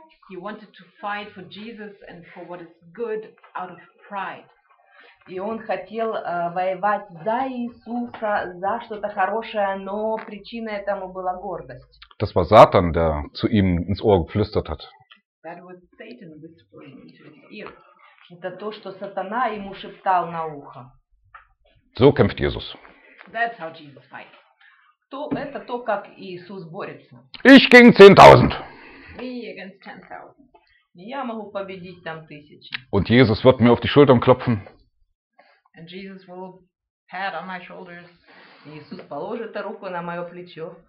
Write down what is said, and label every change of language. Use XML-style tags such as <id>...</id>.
<en>He wanted to fight for Jesus and for what is good out of pride.</en> <ru>И он хотел воевать за Иисуса, за что-то хорошее, но причина этому была гордость.</ru> <de>Das war Satan, der zu ihm ins Ohr geflüstert hat.</de> <en>That was Satan whispering into his ear.</en> <ru>Это то, что сатана ему шептал на ухо.</ru> <de>So kämpft Jesus.</de> <en>That's how Jesus fights.</en> <ru>То, это то, как Иисус борется.</ru> <de>Ich gegen 10.000.</de> <en>Me against 10.000.</en> <ru>Я могу победить там тысячи.</ru> <de>Und Jesus wird mir auf die Schultern klopfen.</de> <en>And Jesus will pat on my shoulders.</en> <ru>Иисус положит руку на мое плечо.</ru>